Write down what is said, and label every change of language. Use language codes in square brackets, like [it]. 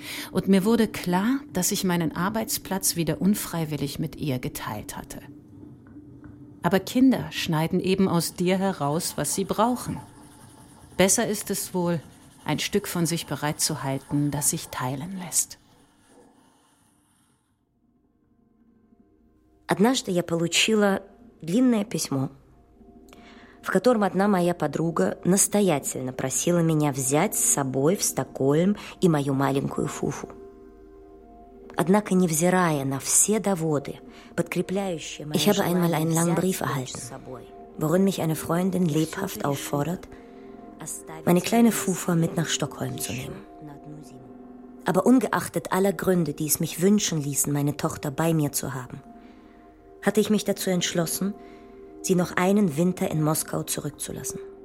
[de] Und mir wurde klar, dass ich meinen Arbeitsplatz wieder unfreiwillig mit ihr geteilt hatte. Aber Kinder schneiden eben aus dir heraus, was sie brauchen. Besser ist es wohl, ein Stück von sich bereitzuhalten, das sich teilen lässt. [ru] Однажды я получила длинное письмо, в котором одна моя подруга настоятельно просила меня взять с собой в Стокгольм и мою маленькую Фуфу. Однако, невзирая на все доводы, подкрепляющие мое желание взять Фуфу с собой, [de] worin mich eine Freundin lebhaft auffordert, meine kleine Фуфа mit nach Stockholm zu nehmen. Aber ungeachtet aller Gründe, die es mich wünschen ließen, meine Tochter bei mir zu haben, hatte ich mich dazu entschlossen, sie noch einen Winter in Moskau zurückzulassen.